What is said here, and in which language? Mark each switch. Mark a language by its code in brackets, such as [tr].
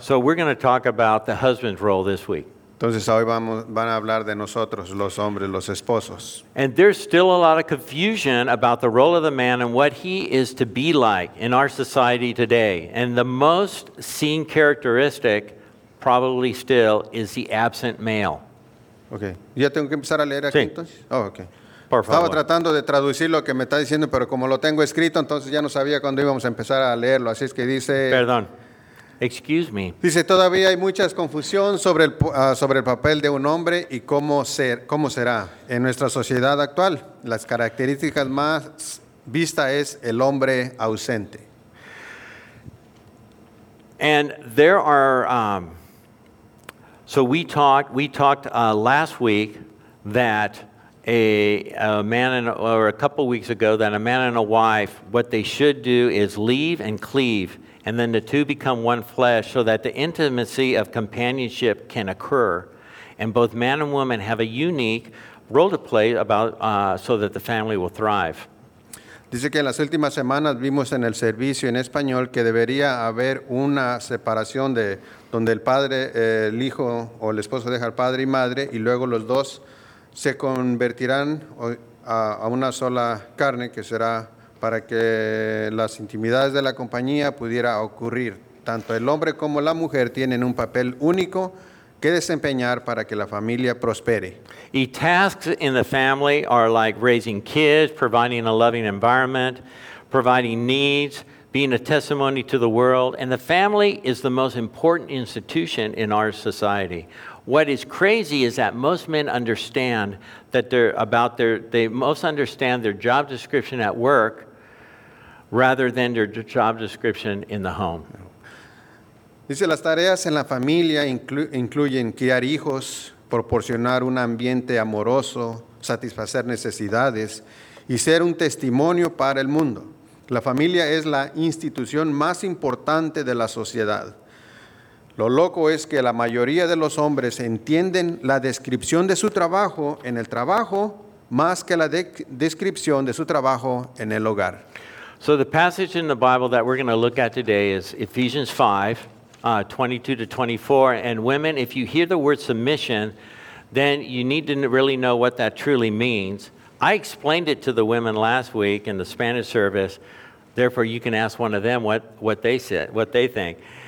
[en] So we're going to talk about the husband's role this week. [es] Entonces hoy van a hablar de nosotros, los hombres, los esposos. [en] And there's still a lot of confusion about the role of the man and what he is to be like in our society today. And the most seen characteristic probably still is the absent male. Okay. [es] ¿Ya tengo que empezar a leer aquí entonces? [en] Oh, okay. [es] Estaba tratando de traducir lo que me está diciendo, pero como lo tengo escrito, entonces ya no sabía cuándo íbamos a empezar a leerlo. Así es que dice... Perdón. [en] Excuse me. [es] Dice, todavía hay mucha confusión sobre el papel de un hombre y cómo será. En nuestra sociedad actual, las características más vistas es el hombre ausente. [en] And there are... We talked last week that... A couple weeks ago, a man and a wife, what they should do is leave and cleave, and then the two become one flesh so that the intimacy of companionship can occur. And both man and woman have a unique role to play about so that the family will thrive. [es] Dice que en las últimas semanas vimos en el servicio en español que debería haber una separación de donde el padre, el hijo o el esposo deja al padre y madre y luego los dos se convertirán a una sola carne que será para que las intimidades de la compañía pudiera ocurrir. Tanto el hombre como la mujer tienen un papel único que desempeñar para que la familia prospere. [en] Y tasks in the family are like raising kids, providing a loving environment, providing needs, being a testimony to the world. And the family is the most important institution in our society. What is crazy is that most men understand that they're about their, they most understand their job description at work rather than their job description in the home. [es] Dice, las tareas en la familia incluyen criar hijos, proporcionar un ambiente amoroso, satisfacer necesidades y ser un testimonio para el mundo. La familia es la institución más importante de la sociedad. Lo loco es que la mayoría de los hombres entienden la descripción de su trabajo en el trabajo más que la descripción de su trabajo en el hogar. [en] So the passage in the Bible that we're going to look at today is Ephesians 5. 22-24, and women, if you hear the word submission, then you need to really know what that truly means. I explained it to the women last week in the Spanish service, therefore you can ask one of them what they said, what they think.